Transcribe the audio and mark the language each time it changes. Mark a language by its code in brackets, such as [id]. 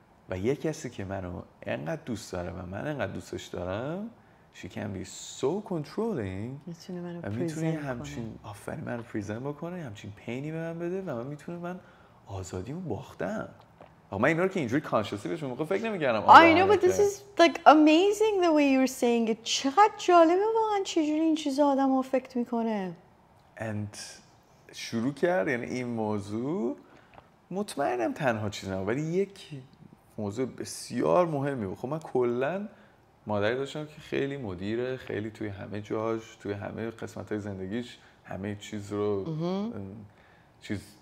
[fa] و یه کسی که منو انقدر دوست داره و من انقدر دوستش دارم [en] she can be so controlling [fa] میتونه منو پریزن بکنه و میتونه همچین آفرین منو پریزن بکنه همچین پینی به من بده و من میتونه من آزادیمو باختم. من اینا رو که اینجوری کانشسی بهش موقع فکر نمیکردم. [en] I know but this is like amazing the way you're saying it. [fa] چقدر جالبه واقعا چجوری این چیزا آدم رو افکت میکنه. And شروع کرد یعنی این موضوع مطمئنم تنها چیز نبود ولی یک موضوع بسیار مهمی بود. خب من کلن مادری داشتم که خیلی مدیره، خیلی توی همه جاش توی همه قسمت های زندگیش همه چیز رو چیز